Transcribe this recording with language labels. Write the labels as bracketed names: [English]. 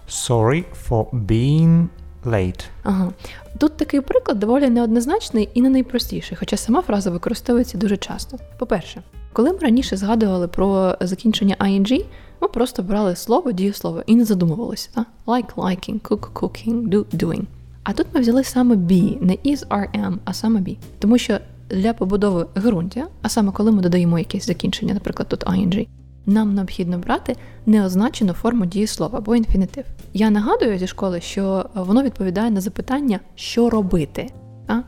[English] Sorry for being late. [Ukrainian] Ага. Тут такий приклад доволі неоднозначний і не найпростіший, хоча сама фраза використовується дуже часто. По-перше, коли ми раніше згадували про закінчення ing, ми просто брали слово, дієслово і не задумувалися. Так? [English] Like, liking, cook, cooking, do, doing. [Ukrainian] А тут ми взяли саме be, не is, are, am, а саме be. Тому що для побудови ґрунтя, а саме коли ми додаємо якесь закінчення, наприклад, тут ing, нам необхідно брати неозначену форму дієслова або інфінітив. Я нагадую зі школи, що воно відповідає на запитання «що робити?», а?